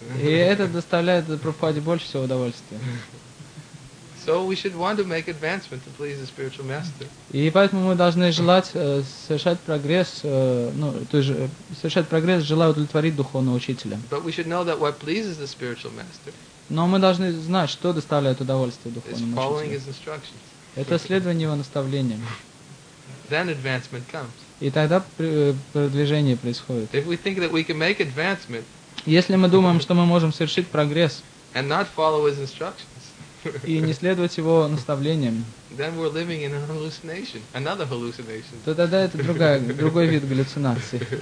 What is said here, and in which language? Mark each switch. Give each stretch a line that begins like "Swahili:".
Russian: И это доставляет Прабхупаде больше всего удовольствия.
English: So we should want to make advancement to please the spiritual master.
Russian: И поэтому мы должны желать совершать прогресс, ну то есть совершать прогресс, желая удовлетворить духовного учителя.
English: But we should know that what pleases the spiritual master.
Russian: Но мы должны знать, что доставляет удовольствие духовному учителю.
English: Is following his instructions.
Russian: Это следование его наставлениям.
English: Then advancement comes.
Russian: И тогда продвижение происходит.
English: If we think that we can make advancement.
Russian: Если мы думаем, что мы можем совершить прогресс.
English: And not follow his instructions.
Russian: И не следовать его наставлениям.
English: Then we're living in a hallucination, another hallucination.
Russian: Тогда это другой вид галлюцинации.